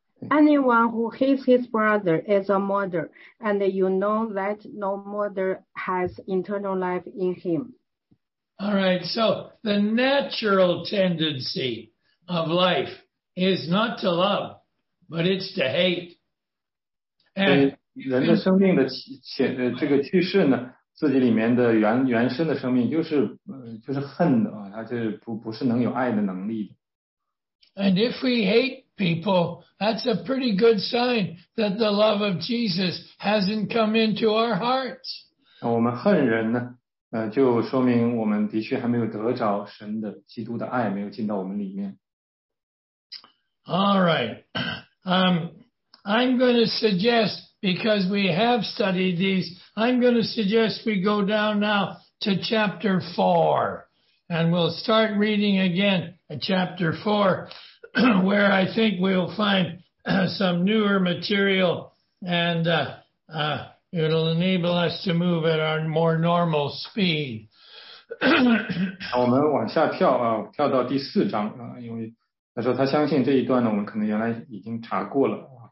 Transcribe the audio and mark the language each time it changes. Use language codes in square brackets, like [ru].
[en] Anyone who hates his brother is a murderer, and you know that no murderer has eternal life in him. All right, so the natural tendency of life is not to love, but it's to hate. [zh] And 人的生命的这个趋势呢，自己里面的原生的生命就是恨的啊，他就不是能有爱的能力的。 [en] And if we hate people, that's a pretty good sign that the love of Jesus hasn't come into our hearts. [zh] 我们恨人呢，就说明我们的确还没有得着神的基督的爱，没有进到我们里面。 [en] All right. I'm going to suggest, because we have studied these, I'm going to suggest we go down now to chapter 4. And we'll start reading again at chapter 4, where I think we'll find some newer material and it'll enable us to move at our more normal speed. [zh] 我们往下跳啊，跳到第四章啊，因为他说他相信这一段呢，我们可能原来已经查过了。